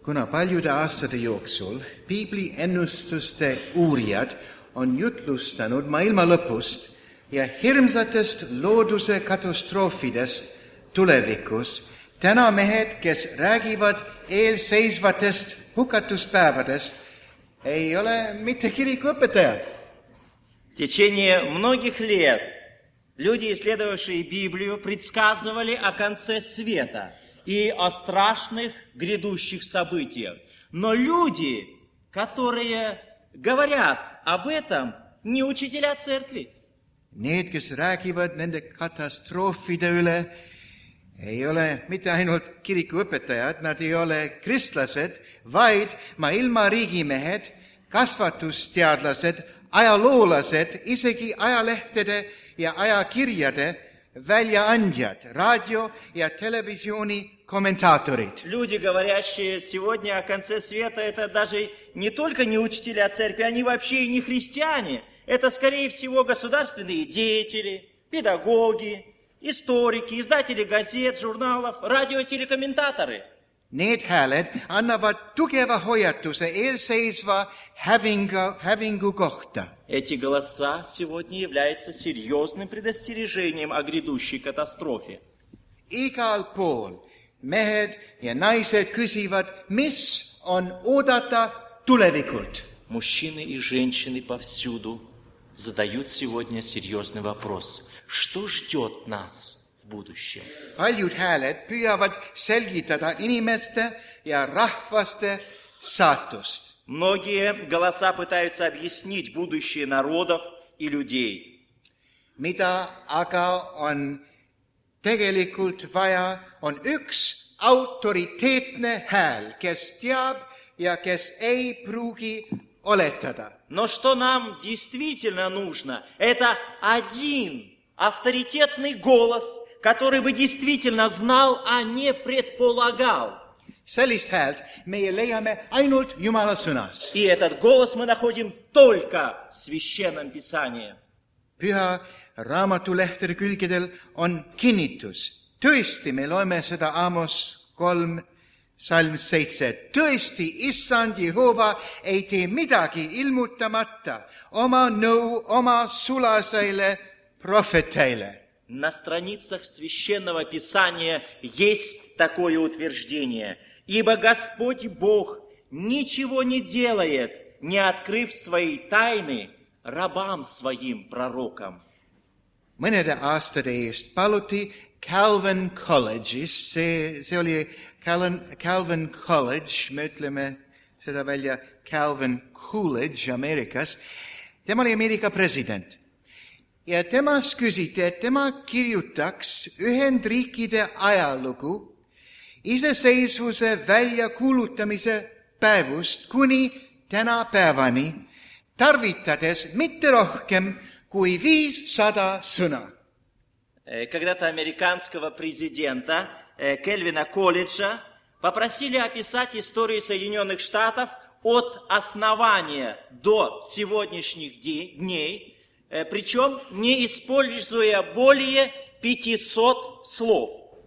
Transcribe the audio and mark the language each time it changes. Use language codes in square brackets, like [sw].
[et] Paljude aastate jooksul piibli ennustuste uurijad on jutlustanud maailma lõpust ja hirmsatest looduse katastroofidest tulevikus. Täna mehed, kes räägivad eelseisvatest hukatuspäevadest, ei ole mitte kirikuõpetajad. [ru] Течение многих лет люди, исследовавшие Библию, предсказывали о конце света и о страшных грядущих событиях. Но люди, которые говорят об этом, не учителя церкви. [et] Need, kes räägivad nende katastroofide üle, ei ole mitte ainult kirikuõpetajad, nad ei ole kristlased, vaid maailma riigimehed, kasvatusteadlased, ajaloolased, isegi ajalehtede ja ajakirjade väljaandjad, radio ja televisiooni комментаторит. [ru] Люди, говорящие сегодня о конце света, это даже не только не учителя церкви, они вообще не христиане. Это, скорее всего, государственные деятели, педагоги, историки, издатели газет, журналов, радиотелекомментаторы. [et] Need hääled annavad tugeva hoiatuse eelseisva hävingu kohta. [ru] Эти голоса сегодня являются серьезным предостережением о грядущей катастрофе. [et] Igal pool mehed ja naised küsivad, mis on oodata tulevikult. [ru] Мужчины и женщины повсюду задают сегодня серьезный вопрос. Что ждет нас в будущем? [et] Paljud hääled püüavad selgitada inimeste ja rahvaste saatust. [ru] Многие голоса пытаются объяснить будущее народов и людей. [et] Mida aga on tegelikult vaja, on üks autoriteetne hääl, kes teab ja kes ei pruugi oletada. [ru] Но что нам действительно нужно, это один авторитетный голос, который бы действительно знал, а не предполагал. [et] Sellist häält meie leiame ainult Jumala sõnas. [ru] И этот голос мы находим только в Священном Писании. [et] Püha Raamatu lehtede külgedel on kinnitus. Tõesti, me loeme seda Amos 3, salm 7. Tõesti, Issand Jehova ei tee midagi ilmutamata oma nõu oma sulasele profeteile. [ru] На страницах священного писания есть такое утверждение. Ибо Господь Бог ничего не делает, не открыв свои тайны рабам своим пророкам. [et] Mõnede aastade eest paluti Calvin College'is, see oli Calvin College, me ütleme seda välja Calvin Coolidge Amerikas. Tema oli Ameerika president. Ja temas küsiti, et tema kirjutaks Ühendriikide ajalugu iseseisvuse välja kuulutamise päevust kuni täna päevani, tarvitades mitte rohkem kui 500 sõna. [ru] когда-то американского президента Кельвина Колледжа попросили описать историю Соединенных Штатов от основания до сегодняшних дней, причем не используя более 500 слов.